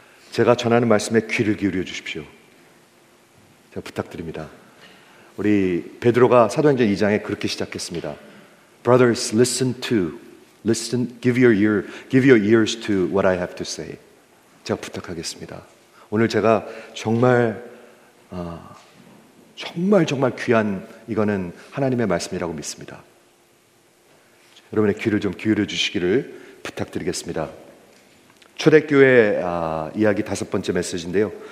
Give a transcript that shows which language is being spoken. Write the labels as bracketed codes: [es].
[ko] 제가 전하는 말씀에 귀를 기울여 주십시오. 제가 부탁드립니다. 우리 베드로가 사도행전 2장에 그렇게 시작했습니다. [en] Brothers, listen to, listen, give your ears to what I have to say. [ko] 제가 부탁하겠습니다. 오늘 제가 정말 귀한 이거는 하나님의 말씀이라고 믿습니다. 여러분의 귀를 좀 기울여 주시기를 부탁드리겠습니다. 초대교회 이야기 다섯 번째 메시지인데요.